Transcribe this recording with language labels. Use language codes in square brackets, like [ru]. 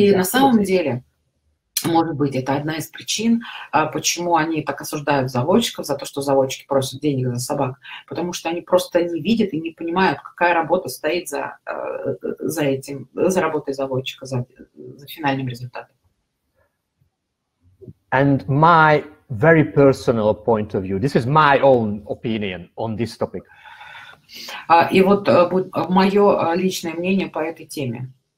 [ru] И на самом деле, может быть, это одна из причин, почему они так осуждают заводчиков за то, что заводчики просят денег за собак, потому что они просто не видят и не понимают, какая работа стоит за этим, за работой заводчика, за финальным результатом. [en] And my very personal point of view, this is my own opinion on this topic. [ru] И вот мое личное мнение по этой теме.